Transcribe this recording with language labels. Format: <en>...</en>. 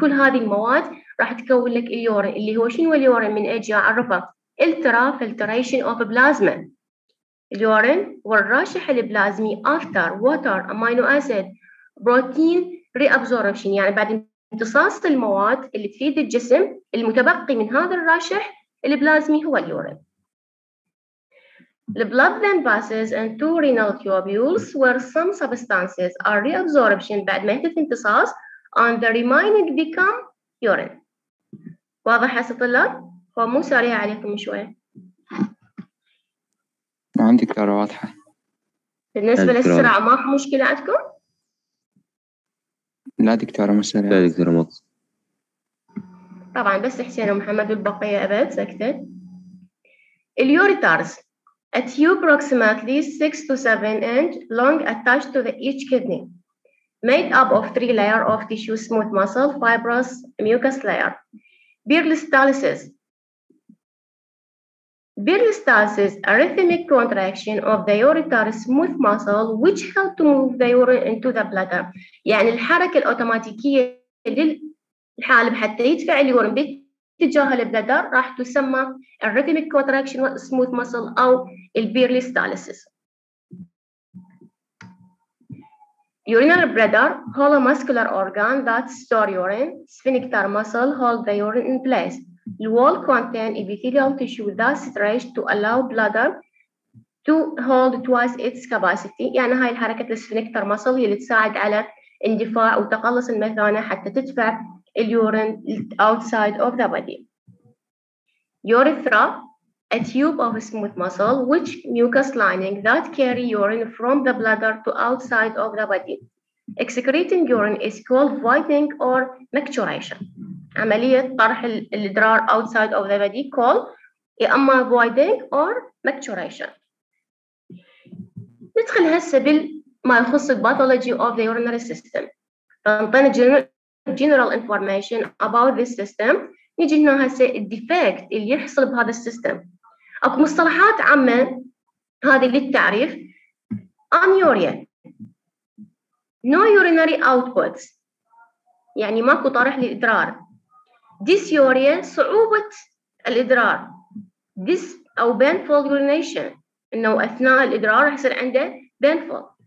<ar>كل هذه المواد راح تكون لك اليورين اللي هو شنو اليورين من أجي أعرفه</ar> <en>ultra filtration of plasma.</en> <ar>اليورين والراشح البلازمي</ar> <en>after water amino acid protein reabsorption</en> <ar>يعني بعد امتصاص المواد اللي تفيد الجسم المتبقي من هذا الراشح البلازمي هو اليورين.</ar> <en>The blood then passes into renal tubules where some substances are reabsorption</en> <ar>بعد ما يحدث امتصاص</ar> <en>and the remaining become urine.</en> <ar>واضح حسب الطلاب؟ هو مو سريع عليكم شوي. عندي كلارة واضحة. بالنسبة للسرعة ما في مشكلة عندكم؟ لا دكتورة مش سريعة. لا دكتورة مطلق. طبعاً بس حسين ومحمد والبقية أبد سكتة.</ar> <en>اليوريتارز a tube approximately 6 to 7 inch long attached to the each kidney made up of 3 layer of tissue smooth muscle fibrous mucus layer. Peristalsis. Peristalsis a rhythmic contraction of the ureter smooth muscle which help to move the urine into the bladder.</en> <ar>يعني الحركة الأوتوماتيكية للحالب حتى يدفع اليورين باتجاه البلادر راح تسمى</ar> <en>rhythmic contraction of smooth muscle</en> <ar>أو peristalsis.</ar> <en>Urinary bladder hollow muscular organ that store urine. Sphincter muscle hold the urine in place. The wall contains epithelial tissue that stretches to allow bladder to hold twice its capacity.</en> <ar>يعني هاي الحركة السفنكتر مصل هي اللي تساعد على اندفاع وتقلص المثانة حتى تدفع اليورين</ar> <en>outside of the body. Urethra, a tube of smooth muscle which mucus lining that carry urine from the bladder to outside of the body. Excreting urine is called voiding or micturition.</en> <ar>عملية طرح الإدرار</ar> <en>outside of the body call</en> <ar>إما</ar> <en>voiding or micturition.</en> <ar>ندخل هسه بالما يخص الـ</ar> <en>pathology of the urinary system. فنعطينا general information about this system.</en> <ar>نيجي هنا هسه الـ defect اللي يحصل بهذا السيستم. أكو مصطلحات عامة هذه للتعريف.</ar> <en>Anuria. No urinary outputs.</en> <ar>يعني ماكو طرح للإدرار. Dysuria صعوبة الإدرار. This أو</ar> <en>painful urination</en> <ar>إنه أثناء الإدرار راح يصير عنده painful.</ar>